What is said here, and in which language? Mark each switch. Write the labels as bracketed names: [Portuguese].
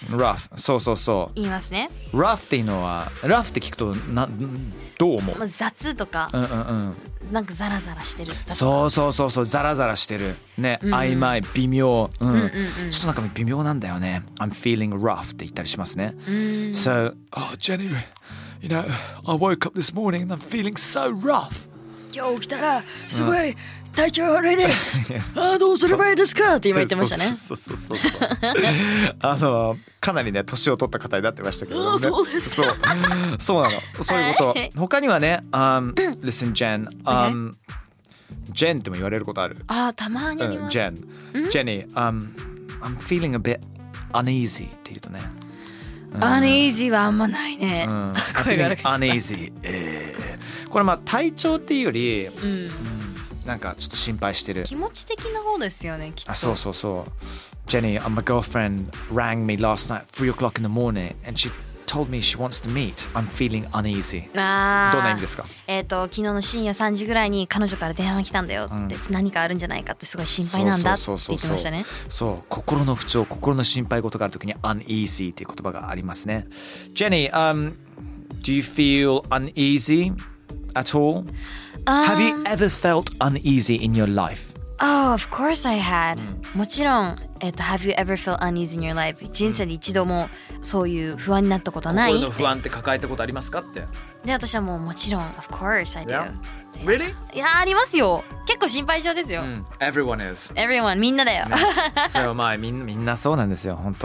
[Japanese] Rough. そうそうそう。言いますね。 Rough っていうのは、rough って聞くとなどう思う？雑とか。うんうんうん。なんかザラザラしてる。そうそうそうそう、ザラザラしてる。ね、うん、曖昧、微妙、うん。うんうんうん。ちょっとなんか微妙なんだよね。 [English] I'm feeling rough [Japanese] って言ったりしますね。うん。 [English] So, oh Jenny, you know, I woke up this morning and I'm feeling so rough. [Japanese] 今日起きたらすごい。うん、体調悪いね。あ、どうすればいいですかって今言ってましたね。あのかなりね年を取った方になってましたけどね。そうです。そう、そうなの。そういうこと。他にはね、 [English] Listen, Jen. [Japanese] Jen っても言われることある。あ、たまに言います。 [English] Jen, Jenny. I'm feeling a bit uneasy って言うとね。 [Japanese] アネイジーはあんまないね。声が荒れちゃった。これまあ体調っていうより、うん、なんかちょっと心配してる気持ち的な方ですよね、きっと。あ、そうそうそう。 [English] Jenny, my girlfriend rang me last night 3 o'clock in the morning and she told me she wants to meet. I'm feeling uneasy. [Japanese] あ、どんな意味ですか？昨日の深夜3時ぐらいに彼女から電話来たんだよって、うん、何かあるんじゃないかってすごい心配なんだって言ってましたね。そう、心の不調、心の心配事があるときに uneasy っていう言葉がありますね。 [English] Jenny, do you feel uneasy at all? Have you ever felt uneasy in your life? Oh, of course I had. もちろん、Have you ever felt uneasy in your life? [Japanese] 人生で一度もそういう不安になったことない？心の不安って抱えたことありますかって。で、私はもうもちろん、 [English] of course I do. Yeah. Really? [Japanese] いや、ありますよ。結構心配性ですよ。 [English] Everyone is. [Japanese] Everyone, みんなだよ。そう、まあ、みんなそうなんですよ、本当。